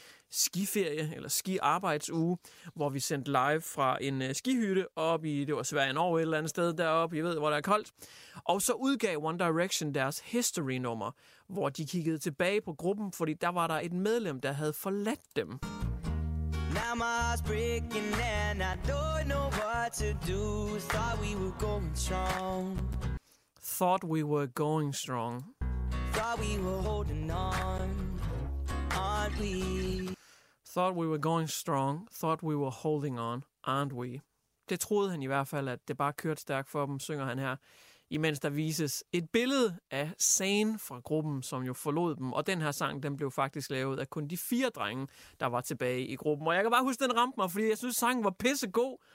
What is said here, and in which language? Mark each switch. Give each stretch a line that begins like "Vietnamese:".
Danish: skiferie eller skiarbejdsuge, hvor vi sendte live fra en skihytte op i, det var Sverige, Norge, et eller andet sted deroppe, jeg ved, hvor der er koldt. Og så udgav One Direction deres history-nummer, hvor de kiggede tilbage på gruppen, fordi der var der et medlem, der havde forladt dem.
English: Now my heart's breaking and I don't know what to do. Thought we were going strong. Thought we were going strong. Thought we were holding on. Aren't we? Thought we were going strong. Thought we were holding on. Aren't we?
Danish: Det troede han i hvert fald, at det bare kørte stærkt for dem, synger han her. Imens der vises et billede af Zayn fra gruppen, som jo forlod dem. Og den her sang, den blev faktisk lavet af kun de fire drenge, der var tilbage i gruppen. Og jeg kan bare huske, den ramte mig, fordi jeg synes, sangen var pissegod.